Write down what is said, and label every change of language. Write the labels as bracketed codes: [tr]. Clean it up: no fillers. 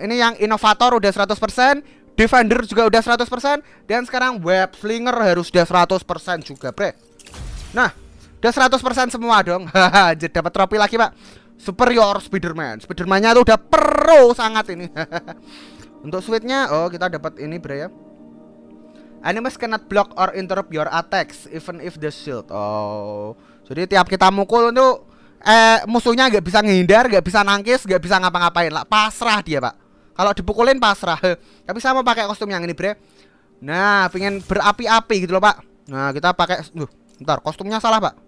[id] Ini yang Innovator udah 100%, Defender juga udah 100%, dan sekarang Web Slinger harus udah 100% juga, Bre. Nah, udah 100% semua dong. Anjir, dapat trofi lagi, Pak. Superior Spider-Man. Spider-Man-nya tuh udah pro sangat ini. Untuk suite-nya, oh, kita dapat ini, Bre, ya. [en] Enemies cannot block or interrupt your attacks even if the shield. Oh. [id] Jadi tiap kita mukul itu musuhnya enggak bisa ngehindar, enggak bisa nangkis, enggak bisa ngapa-ngapain lah. Pasrah dia, Pak. Kalau dipukulin pasrah. Tapi saya mau pakai kostum yang ini, Bre. Nah, pengen berapi-api gitu loh, Pak. Nah, kita pakai bentar, kostumnya salah, Pak.